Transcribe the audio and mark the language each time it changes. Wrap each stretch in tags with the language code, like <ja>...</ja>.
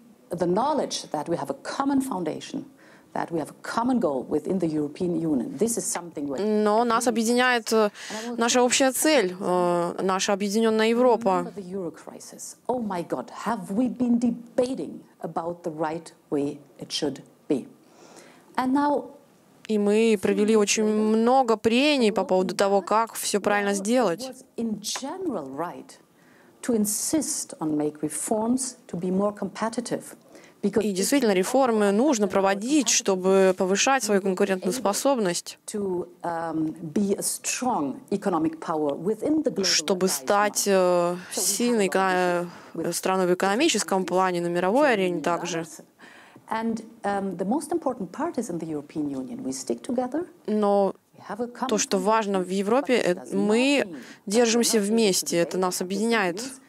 <en>The knowledge that we have a common foundation, that we have a common goal within the European Union. This is something.</en> <ru>Но нас объединяет наша общая цель, наша объединенная Европа.</ru> <en>The euro crisis. Oh my God, have we been debating about the right way it should be? And now.</en> <ru>И мы провели очень много прений по поводу того, как все правильно сделать.</ru> <en>In general, right. To insist on make reforms to be more competitive, because</en> <ru>и действительно реформы нужно проводить, чтобы повышать свою конкурентную способность,</ru> <en>to be a strong economic power within the global,</en> <ru>чтобы стать сильной страной в экономическом плане на мировой арене также.</ru> <en>And the most important part is in the European Union. We stick together.</en> <ru>Но то, что важно в Европе, мы держимся вместе, это нас объединяет.</ru>